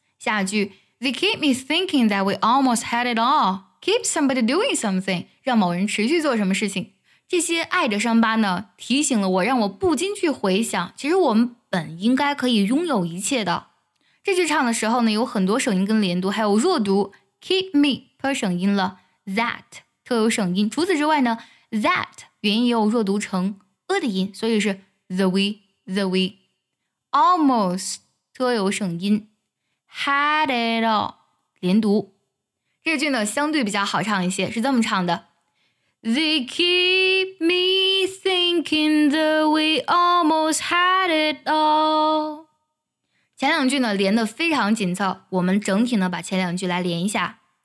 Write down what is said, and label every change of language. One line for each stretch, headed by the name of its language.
Chinese: 下句
English: They keep me thinking that we almost had it all。 Keep somebody doing something，
Chinese: 让某人持续做什么事情。这些爱的伤疤呢，提醒了我，让我不禁去回想，其实我们本应该可以拥有一切的。这句唱的时候呢，有很多省音跟连读，还有弱读 ，
English: keep me
Chinese: 特省音了 ，that 特有省音。除此之外呢 ，that 元音也有弱读成 a 的音，所以是
English: the we almost
Chinese: 特有省音 ，
English: had it all
Chinese: 连读。这句呢相对比较好唱一些，是这么唱的。
English: They keep me thinking that we almost had it all。
Chinese: 前两句呢连得非常紧凑，我们整体呢把前两句来连一下。